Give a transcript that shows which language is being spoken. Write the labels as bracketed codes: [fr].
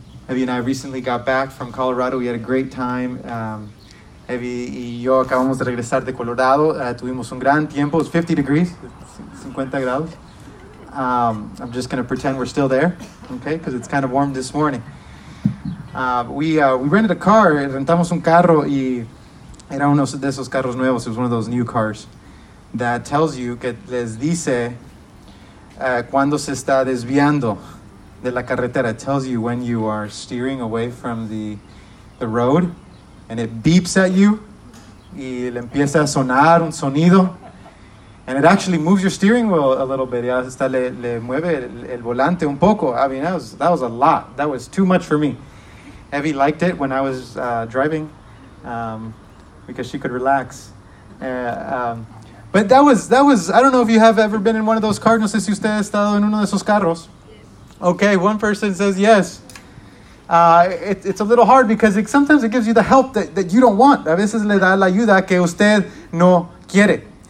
[en] Evie and I recently got back from Colorado. We had a great time. [es] Evie y yo acabamos de regresar de Colorado. Tuvimos un gran tiempo. [en] It was 50 degrees. [es] 50 grados. [en] I'm just going to pretend we're still there, okay? Because it's kind of warm this morning. We rented a car. [es] Rentamos un carro y era uno de esos carros nuevos. [en] It was one of those new cars that tells you, [es] que les dice cuando se está desviando de la carretera. [en] It tells you when you are steering away from the road, and it beeps at you [es] y le empieza a sonar un sonido. [en] And it actually moves your steering wheel a little bit. [es] Ya hasta le mueve el volante un poco. [en] I mean, that was a lot. That was too much for me. Evie liked it when I was driving because she could relax. But that was. I don't know if you have ever been in one of those cars. [es] No sé si usted ha estado en uno de esos carros. [en] Okay, one person says yes. It's a little hard because sometimes it gives you the help that you don't want. [es] A veces le da la ayuda que usted no quiere.